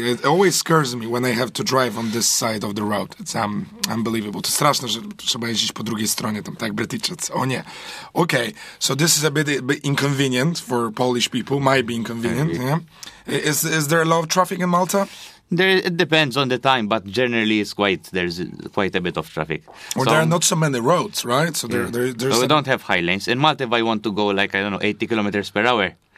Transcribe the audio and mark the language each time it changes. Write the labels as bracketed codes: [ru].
[en] It always scares me when I have to drive on this side of the road. It's unbelievable. [pl] To straszne, że trzeba jeździć po drugiej stronie, tam tak, Brytyjczycy. O nie. [en] Okay, so this is a bit inconvenient for Polish people. Might be inconvenient, yeah. Is there a lot of traffic in Malta? It depends on the time, but generally there's quite a bit of traffic. Well, so, there are not so many roads, right? So there's we don't have high lanes. In Malta, if I want to go, like, I don't know, 80 kilometers per hour.